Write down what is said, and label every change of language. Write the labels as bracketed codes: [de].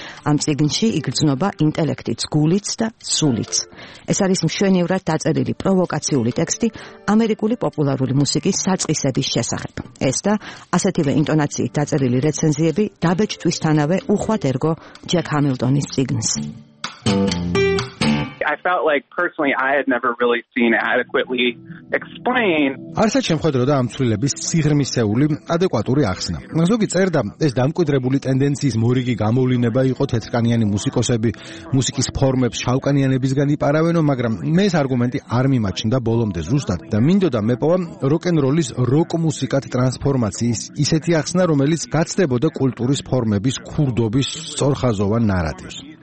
[ka] ამ წიგნში იგრძნობა ინტელექტიც, გულიც და სულიც. ეს არის მშვენივრად დაწერილი პროვოკაციული ტექსტი ამერიკული პოპულარული მუსიკის საწყისების შესახებ. ეს და ასეთივე ინტონაციით დაწერილი რეცენზიები დაბეჭდვისთანავე უხვად ერგო ჯეკ ჰამილტონის წიგნს. [en] I felt like personally I had never really seen adequately explained. [ka] არსა შეხედროდა ამ ცვლილების სიღრმისეული ადეკვატური ახსნა. ზოგი წერდა, ეს დამკვიდრებული ტენდენციის მორიგი გამოვლინება იყო, თეთრკანიანი მუსიკოსები მუსიკის ფორმებს შავკანიანებისგან იპარავენო, მაგრამ მე ეს არგუმენტი არ მიმაჩნდა ბოლომდე ზუსტად და მინდოდა მეპოვა როკ-ენ-როლის როკ მუსიკათ ტრანსფორმაციის ისეთი ახსნა, რომელიც გაცდებოდა კულტურის ფორმების ქურდობის სწორხაზოვან ნარატივს.